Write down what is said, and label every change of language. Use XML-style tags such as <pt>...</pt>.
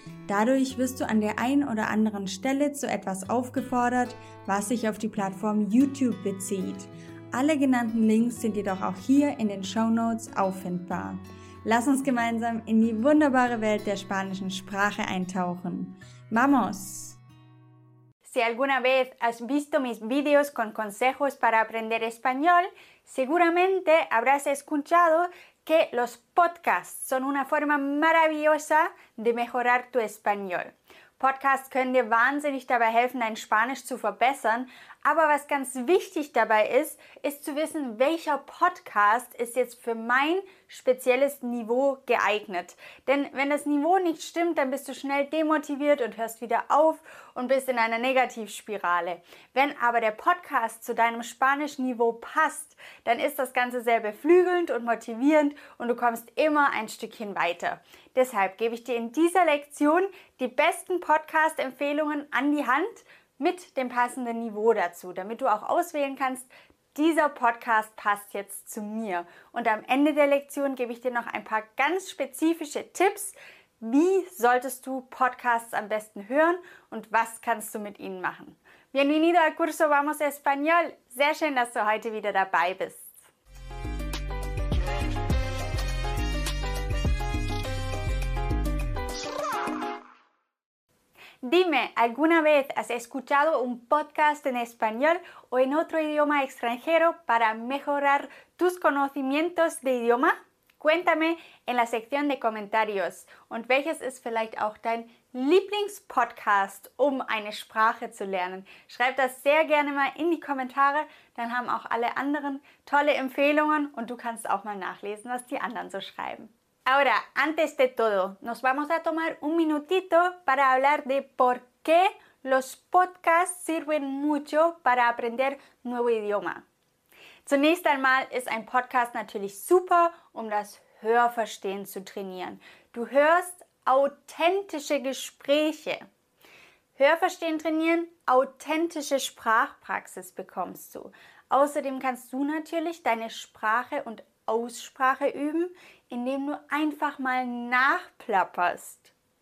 <de>Dadurch wirst du an der einen oder anderen Stelle zu etwas aufgefordert, was sich auf die Plattform YouTube bezieht. Alle genannten Links sind jedoch auch hier in den Shownotes auffindbar. Lass uns gemeinsam in die wunderbare Welt der spanischen Sprache eintauchen.</de> <es>¡Vamos! Si alguna vez has visto mis videos con consejos para aprender español, seguramente habrás escuchado que los podcasts son una forma maravillosa de mejorar tu español.</es> <de>Podcasts können dir wahnsinnig dabei helfen, dein Spanisch zu verbessern. Aber was ganz wichtig dabei ist, ist zu wissen, welcher Podcast ist jetzt für mein spezielles Niveau geeignet. Denn wenn das Niveau nicht stimmt, dann bist du schnell demotiviert und hörst wieder auf und bist in einer Negativspirale. Wenn aber der Podcast zu deinem Spanischniveau passt, dann ist das Ganze sehr beflügelnd und motivierend und du kommst immer ein Stückchen weiter. Deshalb gebe ich dir in dieser Lektion die besten Podcast-Empfehlungen an die Hand mit dem passenden Niveau dazu, damit du auch auswählen kannst, dieser Podcast passt jetzt zu mir. Und am Ende der Lektion gebe ich dir noch ein paar ganz spezifische Tipps, wie solltest du Podcasts am besten hören und was kannst du mit ihnen machen.</de> <es>Bienvenido al curso Vamos Español.</es> <de>Sehr schön, dass du heute wieder dabei bist.</de> <es>Dime, ¿alguna vez has escuchado un podcast en español o en otro idioma extranjero para mejorar tus conocimientos de idioma? Cuéntame en la sección de comentarios.</es> <de>Und welches ist vielleicht auch dein Lieblingspodcast, um eine Sprache zu lernen? Schreib das sehr gerne mal in die Kommentare, dann haben auch alle anderen tolle Empfehlungen und du kannst auch mal nachlesen, was die anderen so schreiben.</de> <es>Ahora, antes de todo, nos vamos a tomar un minutito para hablar de por qué los podcasts sirven mucho para aprender nuevo idioma.</es> <de>Zunächst einmal ist ein Podcast natürlich super, um das Hörverstehen zu trainieren. Du hörst authentische Gespräche. Hörverstehen trainieren, authentische Sprachpraxis bekommst du. Außerdem kannst du natürlich deine Sprache und Aussprache üben, indem du einfach mal nachplapperst.</de>